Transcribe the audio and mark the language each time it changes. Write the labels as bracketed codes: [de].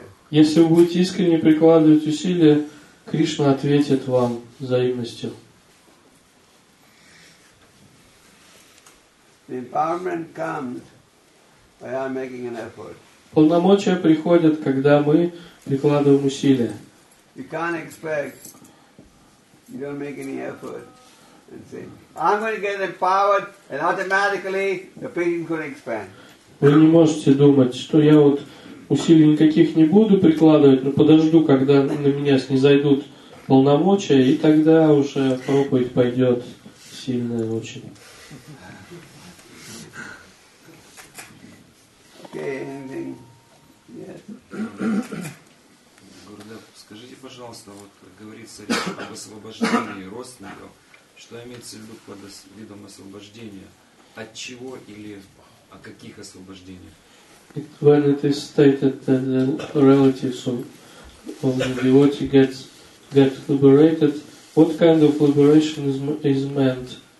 [ru] Если вы будете искренне прикладывать усилия, Кришна ответит вам взаимностью. [en] The empowerment comes by our making an effort. [ru] Полномочия приходят, когда мы прикладываем усилия. [en] You can't expect, you don't make any effort and say, I'm going to get empowered and automatically the preaching could expand. [ru] Вы не можете думать, что я вот усилий никаких не буду прикладывать, но подожду, когда на меня снизойдут полномочия, и тогда уже проповедь пойдет сильная очень. [en] Okay, anything? Yes. [ru] Гурудев, скажите, пожалуйста, вот говорится об освобождении родственников. Что имеется в виду под видом освобождения? От чего или о каких освобождениях? [en] When it is stated that the relatives of the devotee get liberated, what kind of liberation is meant?